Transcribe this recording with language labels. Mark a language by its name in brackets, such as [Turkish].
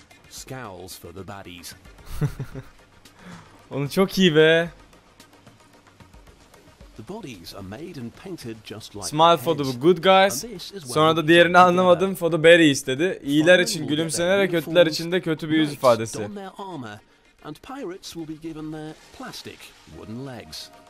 [English] Scowls for the baddies. [Turkish] Onu çok iyi be. [English] The bodies are made and painted just like. Smile for the good guys. [Turkish] Sonra da diğerini anlamadım. [English] For the baddies [Turkish] dedi. İyiler için gülümsenerek, kötüler için de kötü bir yüz ifadesi. [English] And pirates will be given their plastic wooden legs.